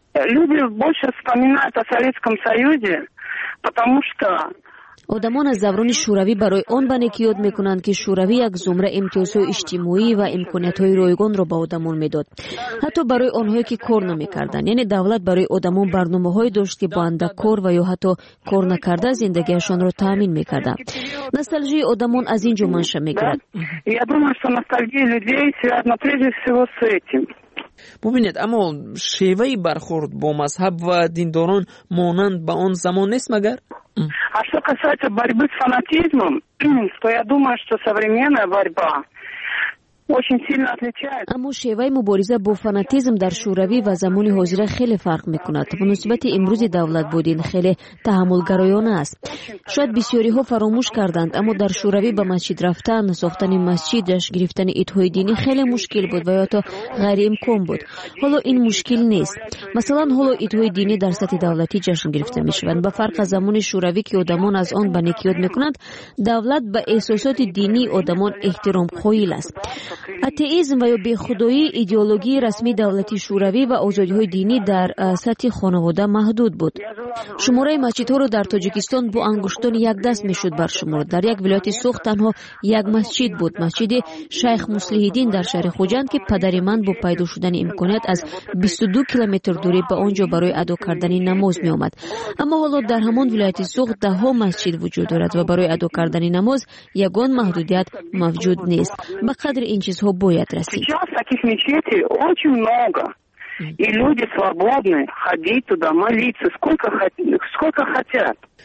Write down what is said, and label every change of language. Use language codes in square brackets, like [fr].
[uk] Люди більше вспоминають о Совєтському Союзі, тому що... [tg] Одамон аз даврони Шӯравӣ барои он ба некӣ ёд мекунанд, ки Шӯравӣ як зумра имтиёзҳои иҷтимоӣ ва имкониятҳои ройгонро ба одамон медод. Ҳатто барои онҳое, ки кор намекарданд, яъне давлат барои одамон барномаҳое дошт, ки бо андак кор ва ё ҳатто кор накарда зиндагиашонро таъмин мекарданд. Носталжияи одамон аз ин ҷо манша мегирад. [ru] Я думаю, что ностальгия людей связана прежде всего с этим. [fa] ببینید، اما شیوهی برخورد با مذهب و دینداران مانند به آن زمان نیست مگر؟ [ru] А что касается борьбы с фанатизмом, то я думаю, что современная борьба очень сильно отличается. [tg] Аммо шевай мубориза бо фанатизм дар Шӯравӣ ва замони ҳозира хеле фарқ мекунад. Мунасибати имрӯзи давлат будин хеле таҳаммулгароёна аст. Шояд бисёриҳо фаромӯш карданд, аммо дар Шӯравӣ ба масҷид рафтан, сохтани масҷид, ҷаш гирифтани идҳои динӣ хеле мушкил буд ва ё то ғайриимкон буд. Ҳоло ин мушкил нест. Масалан, ҳоло идҳои динӣ дар сатҳи давлатӣ ҷашн гирифта мешаванд. Ба фарқ аз замони Шӯравӣ, ки одамон аз он ба некӣ ёд мекунанд, давлат ба эҳсосоти динии одамон эҳтиром қоил аст. Атеїзм ва ё бехудоӣ идеологии расмии давлати Шӯравӣ ва озодиҳои динӣ дар сатҳи хонавода маҳдуд буд. Шумораи масҷидҳоро дар Тоҷикистон бо ангуштони як даст мешуд баршуморд. Дар як вилояти суғд танҳо як масҷид буд, масҷиди Шайх Муслиҳиддин дар шаҳри Хуҷанд, ки падари ман бо пайдо шудани имконият аз 22 километр дурӣ ба онҷо барои адо кардани намоз меомад. Аммо ҳоло дар ҳамон вилояти суғд даҳҳо масҷид вуҷуд дорад ва барои адо кардани намоз ягон маҳдудият мавҷуд нест. Ба қадри [fa] این چیزها باید رسید. [ru] Сейчас таких мечетей очень много. И люди свободны ходить туда молиться сколько хотят.